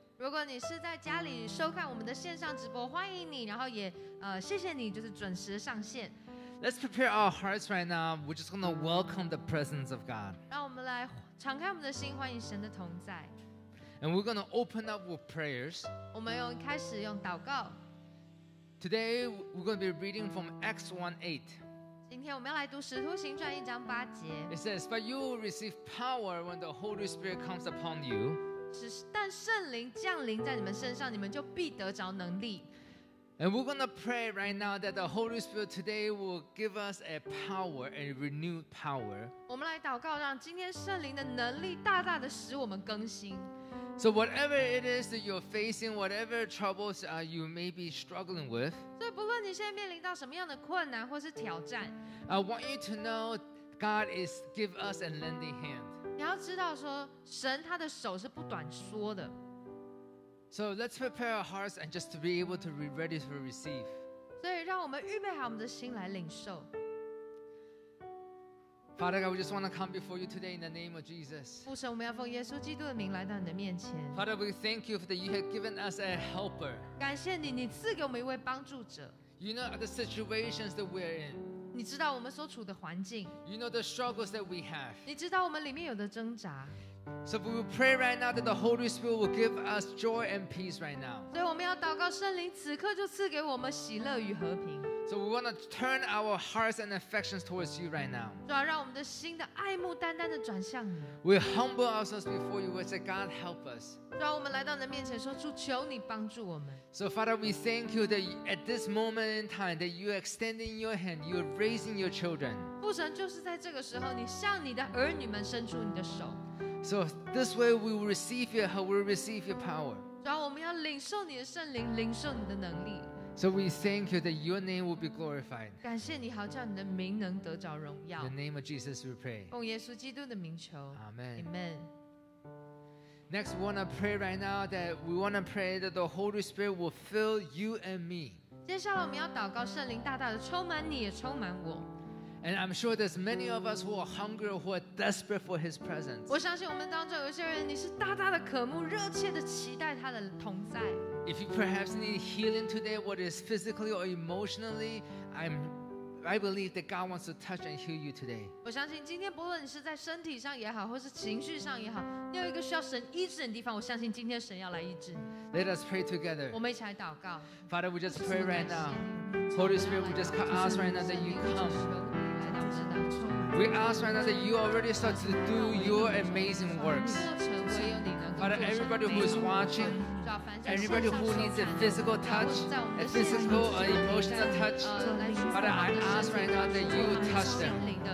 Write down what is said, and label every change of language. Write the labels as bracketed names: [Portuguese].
[Chinese] 如果你是在家里收看我们的线上直播，欢迎你，然后也谢谢你就是准时上线。 [English] Let's prepare our hearts right now. We're just gonna welcome the presence of God. [Chinese] 让我们来敞开我们的心，欢迎神的同在。 [English] And we're gonna open up with prayers. [Chinese] 我们用开始用祷告。 [English] Today we're gonna be reading from Acts 1:8. It says, but you will receive power when the Holy Spirit comes upon you. [Chinese] 但圣灵降临在你们身上，你们就必得着能力。 [English] And we're going to pray right now that the Holy Spirit today will give us a power, a renewed power. [Chinese] 我们来祷告，让今天圣灵的能力大大的使我们更新。 [English] So whatever it is that you're facing, whatever troubles you may be struggling with, [Chinese] 所以不论你现在面临到什么样的困难或是挑战， [English] I want you to know God is give us a lending hand. [Chinese] 你要知道说神他的手是不短缩的。 [English] So let's prepare our hearts and just to be able to be ready to receive. [Chinese] 所以让我们预备好我们的心来领受。 [English] Father God, we just want to come before you today in the name of Jesus. [Chinese] 父神，我们要奉耶稣基督的名来到你的面前。 [English] Father, we thank you that you have given us a helper. [Chinese] 感谢你，你赐给我们一位帮助者。 [English] You know the situations that we're in. [Chinese] 你知道我们所处的环境。 [English] You know the struggles that we have. [Chinese] 你知道我们里面有的挣扎。 [English] So we will pray right now that the Holy Spirit will give us joy and peace right now. [Chinese] 所以我们要祷告圣灵此刻就赐给我们喜乐与和平。 [English] So we want to turn our hearts and affections towards you right now. [Chinese] 主啊，让我们的心的爱慕单单的转向你。 [English] We humble ourselves before you and say, God, help us. [Chinese] 主啊，我们来到你的面前说，主，求你帮助我们。 [English] So Father, we thank you that at this moment in time, that you are extending your hand, you are raising your children. [Chinese] 父神，就是在这个时候，你向你的儿女们伸出你的手。 [English] So this way, we will receive your help, we will receive your power. [Chinese] 主啊，我们要领受你的圣灵，领受你的能力。 [English] So we thank you that your name will be glorified. [Chinese] 感谢你好叫你的名能得着荣耀。 [English] In the name of Jesus we pray. [Chinese] 奉耶稣基督的名求。 [English] Amen. Amen. Next, we want to pray right now that we want to pray that the Holy Spirit will fill you and me. [Chinese] 接下来我们要祷告圣灵大大的充满你也充满我。 [English] And I'm sure there's many of us who are hungry or who are desperate for His presence. [Chinese] 我相信我们当中有些人你是大大的渴慕热切的期待他的同在。 [English] If you perhaps need healing today, whether it's physically or emotionally, I believe that God wants to touch and heal you today. [Chinese] 我相信今天不论你是在身体上也好，或是情绪上也好，你有一个需要神医治的地方，我相信今天神要来医治。 [English] Let us pray together. [Chinese] 我们一起来祷告。 [English] Father, we just pray right now. Holy Spirit, we just ask right now that you come. We ask right now that you already start to do your amazing works. Father, everybody who is watching. Everybody who needs a physical touch, a physical or emotional touch, Father, I ask right now that you will touch them.